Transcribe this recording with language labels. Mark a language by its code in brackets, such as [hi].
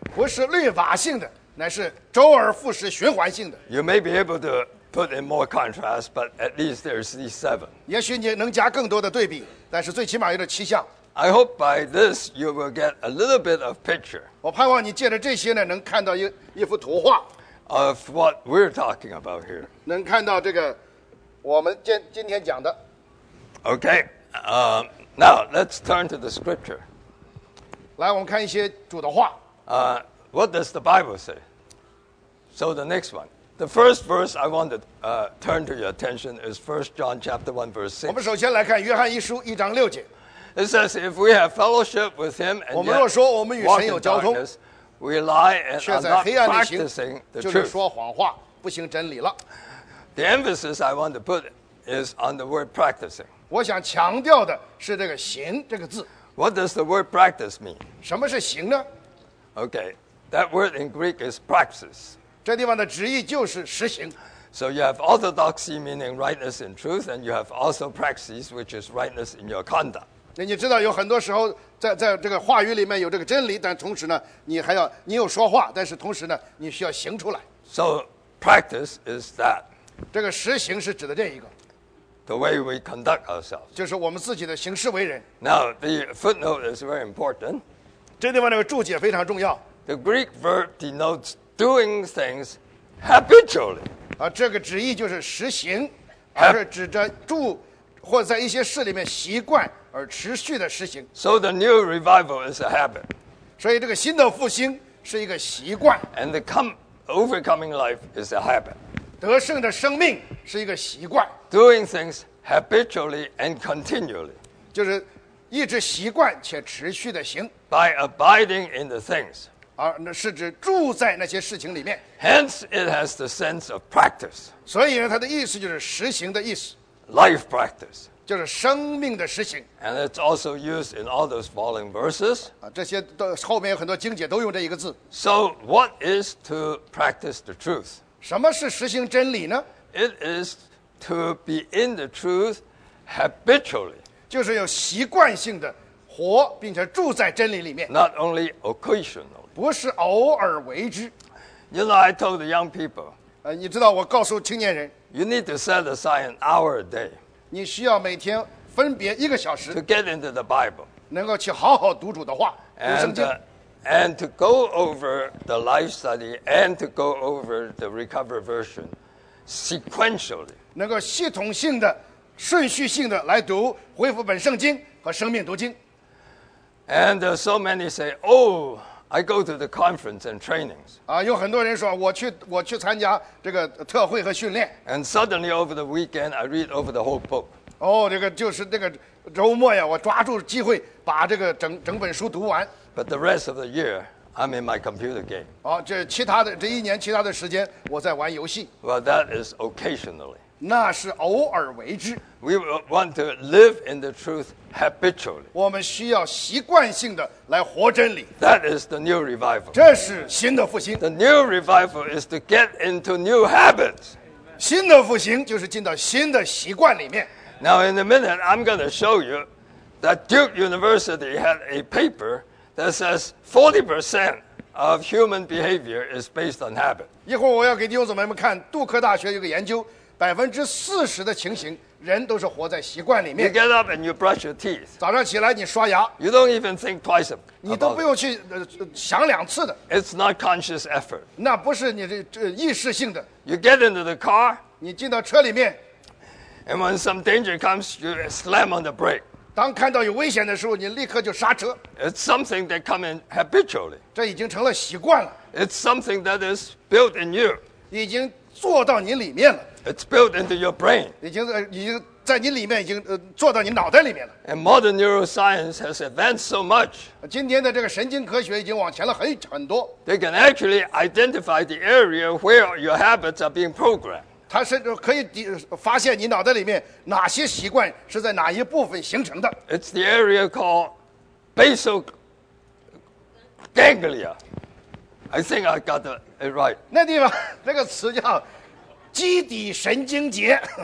[zh] 不是律法性的，乃是周而复始循环性的。 [en] You may be able to put in more contrast, but at least there's these seven. [zh] 也许你能加更多的对比，但是最起码有这七项。 [en] I hope by this you will get a little bit of picture. [zh] 我盼望你借着这些呢，能看到一幅图画。 [en] Of what we're talking about here. [zh] 能看到这个我们今天讲的。 [en] Okay. Now let's turn to the scripture. [zh] 来我们看一些主的话 [en] What does the Bible say? So the next one The first verse I want to turn to your attention Is 1 John chapter 1 verse 6 [zh] 我们首先来看约翰一书一章六节 [en] It says if we have fellowship with him And [zh] 我们若说我们与神有交通 [en] darkness, We lie and are not practicing the truth [zh] 就是说谎话不行真理了 [en] The emphasis I want to put is on the word practicing [zh] 我想强调的是这个行这个字 [en] What does the word practice mean? [zh] 什么是行呢? [en] Okay, that word in Greek is praxis. [zh] 这地方的直译就是实行。 [en] So you have orthodoxy, meaning rightness in truth, and you have also praxis, which is rightness in your conduct. [zh] 你知道有很多时候在这个话语里面有这个真理，但同时呢，你有说话，但是同时呢，你需要行出来。 [en] So practice is that. [zh] 这个实行是指的这一个。 [en] The way we conduct ourselves. [zh] 就是我们自己的行事为人。 [en] Now the footnote is very important. [zh] 这地方那个注解非常重要。 [en] The Greek verb denotes doing things habitually. [zh] 这个旨意就是实行，而是指着住或在一些事里面习惯。而持续的实行。 [en] So the new revival is a habit. [zh] 所以这个新的复兴是一个习惯。 [en] And the overcoming life is a habit. [zh] 得胜的生命是一个习惯。 [en] Doing things habitually and continually. [zh] 就是一直习惯且持续的行。 [en] By abiding in the things. [zh] 而那是指住在那些事情里面。 [en] Hence it has the sense of practice. [zh] 所以它的意思就是实行的意思。 [en] Life practice. [zh] 就是生命的实行。 [en] And it's also used in all those following verses. [zh] 这些都后面有很多经节都用这一个字。 [en] So what is to practice the truth? [zh] 什么是实行真理呢？ [en] It is to be in the truth habitually. [zh] 就是有习惯性的活并且住在真理里面。 [en] Not only occasionally. [zh] 不是偶尔为之。 [en] You know, I told the young people. [zh] 你知道我告诉青年人。 [en] You need to set aside an hour a day. [zh] 你需要每天分别一个小时 [en] to get into the Bible, [zh] 能够去好好读主的话 [en] and to go over the life study and to go over the recovered version sequentially, [zh] 能够系统性的顺序性的来读恢复本圣经和生命读经 [en] and so many say, oh, I go to the conference and trainings, [zh] 有很多人说我去参加这个特会和训练 [en] and suddenly over the weekend, I read over the whole book. [zh] 哦，这个就是那个周末呀，我抓住机会把这个整本书读完。 [en] But the rest of the year, I'm in my computer game. [zh] 哦，这其他的这一年其他的时间我在玩游戏。 [en] Well, that is occasionally. [zh] 那是偶尔为之。 [en] We want to live in the truth habitually. [zh] 我们需要习惯性的来活真理。 [en] That is the new revival. [zh] 这是新的复兴。 [en] The new revival is to get into new habits. [zh] 新的复兴就是进到新的习惯里面。 [en] Now, in a minute, I'm going to show you that Duke University had a paper that says 40% of human behavior is based on habit. [zh] 一会儿我要给弟兄姊妹们看杜克大学有个研究，40%的情形，人都是活在习惯里面。 [en] You get up and you brush your teeth. [zh] 早上起来你刷牙。 [en] You don't even think twice about it. [zh] 你都不用去想两次的。 [en] It's not conscious effort. [zh] 那不是你的意识性的。 [en] You get into the car. [zh] 你进到车里面。 [en] And when some danger comes, you slam on the brake. [zh] 当看到有危险的时候，你立刻就刹车。 [en] It's something that comes in habitually. [zh] 这已经成了习惯了。 [en] It's something that is built in you. [zh] 已经做到你里面了。 [en] It's built into your brain. [zh] 已经在你里面已经做到你脑袋里面了。 [en] And modern neuroscience has advanced so much. [zh] 今天的这个神经科学已经往前了很多。 [en] They can actually identify the area where your habits are being programmed. [zh] 它是可以发现你脑袋里面哪些习惯是在哪一部分形成的。 [en] It's the area called basal ganglia. I think I got it right. [zh] 那地方那个词叫基底神经节。